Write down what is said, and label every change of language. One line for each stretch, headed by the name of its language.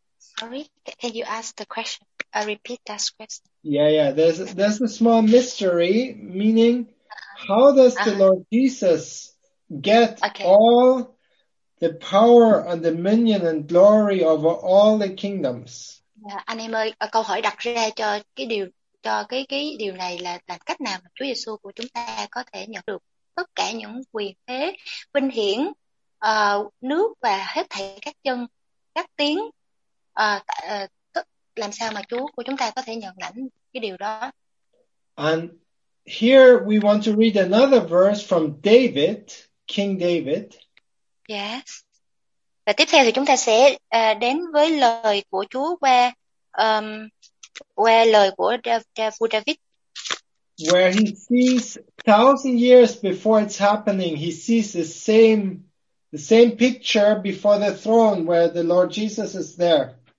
English: Sorry, can you ask the question? I repeat that question. Yeah. There's a small mystery, meaning, how does the Lord Jesus get all the power and dominion and glory over all the kingdoms?
Vietnamese: Yeah, anh em ơi, câu hỏi đặt ra cho cái điều này là làm cách nào mà Chúa Giêsu của chúng ta có thể nhận được tất cả những quyền thế, vinh hiển, nước và hết thảy các dân, các tiếng. Làm sao mà Chúa của chúng ta có thể nhận lãnh cái điều đó?
English: And here we want to read another verse from David, King David. Yes.
Vietnamese: Và tiếp theo thì chúng ta sẽ đến với lời của Chúa qua qua lời của David.
English: Where he sees 1,000 years before it's happening, he sees the same picture before the throne where the Lord Jesus is there.